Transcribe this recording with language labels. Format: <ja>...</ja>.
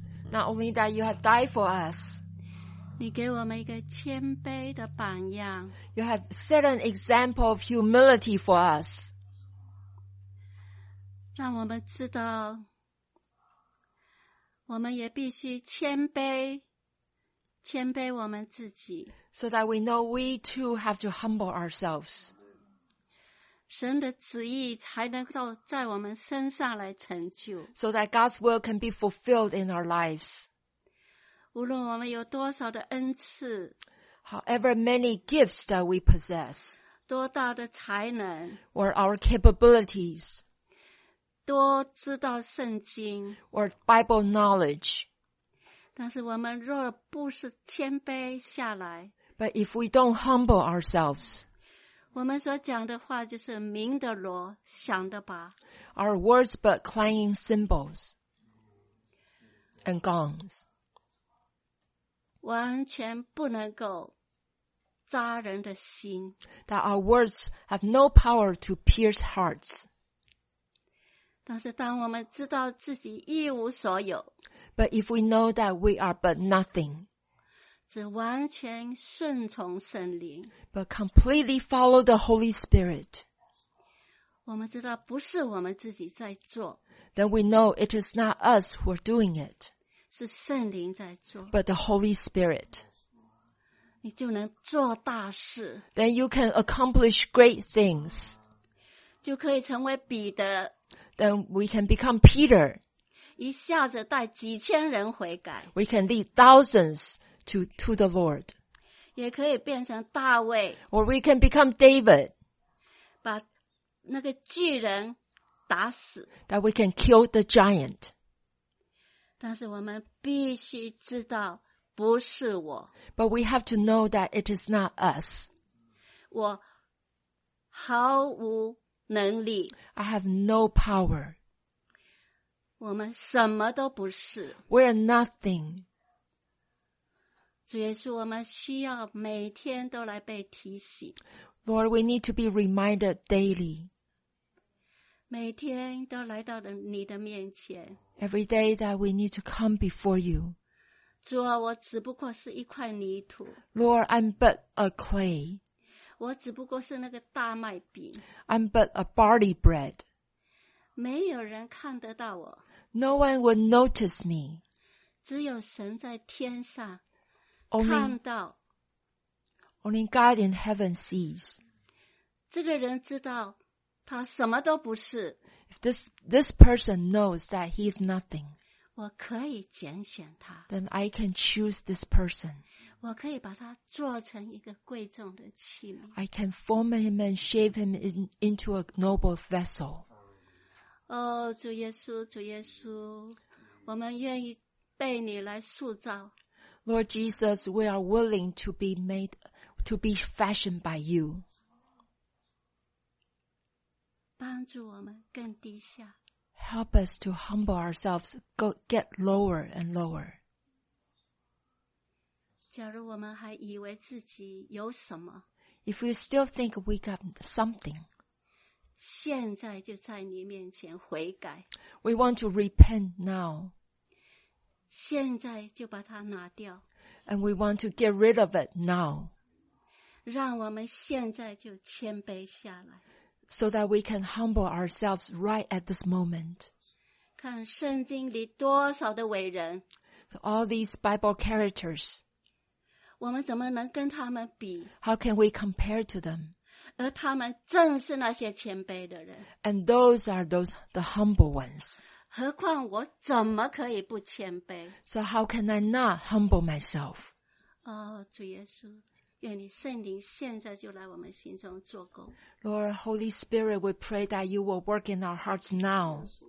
<en>Not only that, you have died for us.</en> <zh>你给我们一个谦卑的榜样。</zh> <en>You have set an example of humility for us.</en> <zh>让我们知道，我们也必须谦卑。谦卑我们自己</zh> <en>so that we know we too have to humble ourselves.</en> <zh>神的旨意才能够在我们身上来成就</zh> <en>so that God's will can be fulfilled in our lives.</en> <zh>无论我们有多少的恩赐</zh> <en>however many gifts that we possess,</en> <zh>多大的才能</zh> <en>or our capabilities,</en> <zh>多知道圣经</zh> <en>or Bible knowledge,</en> <zh>但是我们若不是谦卑下来</zh> <en>But if we don't humble ourselves</en> <zh>我们所讲的话就是鸣的锣响的吧</zh> <en>Our words but clanging cymbals and gongs</en> <zh>完全不能够扎人的心</zh> <en>That our words have no power to pierce hearts</en> <zh>但是当我们知道自己一无所有</zh> <en>But if we know that we are but nothing,</en> <zh>只完全顺从圣灵</zh> <en>but completely follow the Holy Spirit,</en> <zh>我们知道不是我们自己在做</zh> <en>then we know it is not us who are doing it,</en> <zh>是圣灵在做</zh> <en>but the Holy Spirit.</en> <zh>你就能做大事</zh> <en>then you can accomplish great things,</en> <zh>就可以成为彼得</zh> <en>then we can become Peter,</en> <zh>一下子带几千人悔改</zh> <en>We can lead thousands to the Lord</en> <zh>也可以变成大卫</zh> <en>Or we can become David</en> <zh>把那个巨人打死</zh> <en>That we can kill the giant</en> <zh>但是我们必须知道不是我</zh> <en>But we have to know that it is not us</en> <zh>我毫无能力</zh> <en>I have no power</en> <zh>我们什么都不是</zh> <en>We are nothing.</en> <zh>主耶稣，我们需要每天都来被提醒。</zh> <en>Lord, we need to be reminded daily.</en> <zh>每天都来到你的面前。</zh> <en>Every day that we need to come before you.</en> <zh>主啊，我只不过是一块泥土。</zh> <en>Lord, I'm but a clay.</en> <zh>我只不过是那个大麦饼。</zh> <en>I'm but a barley bread.</en> <zh>没有人看得到我。</zh> <en>No one will notice me.</en> <zh>只有神在天上看到。</zh> <en>Only God in heaven sees.</en> <zh>这个人知道他什么都不是。</zh> <en>If this person knows that he is nothing,</en> <zh>我可以拣选他。</zh> <en>Then I can choose this person.</en> <zh>我可以把他做成一个贵重的器皿。</zh> <en>I can form him and shape him into a noble vessel.</en> <zh>哦、oh, ，主耶稣，主耶稣，我们愿意被你来塑造。</zh> <en>Lord Jesus, we are willing to be made, to be fashioned by you.</en> <zh>帮助我们更低下。</zh> <en>Help us to humble ourselves, go get lower and lower.</en> <zh>假如我们还以为自己有什么</zh> <en>，If we still think we got something.</en> <zh>现在就在你面前悔改。</zh> <en>We want to repent now.</en> <zh>现在就把它拿掉。</zh> <en>And we want to get rid of it now.</en> <zh>让我们现在就谦卑下来。</zh> <en>So that we can humble ourselves right at this moment.</en> <zh>看圣经里多少的伟人。</zh> <en>So all these Bible characters.</en> <zh>我们怎么能跟他们比?</zh> <en>How can we compare to them?</en> <zh>而他们正是那些谦卑的人。</zh> <en>And those are the humble ones.</en> <zh>何况我怎么可以不谦卑?</zh> <en>So how can I not humble myself?</en> <zh>哦，主耶稣，愿你圣灵现在就来我们心中做工。</zh> <en>Lord, Holy Spirit, we pray that you will work in our hearts now.</en>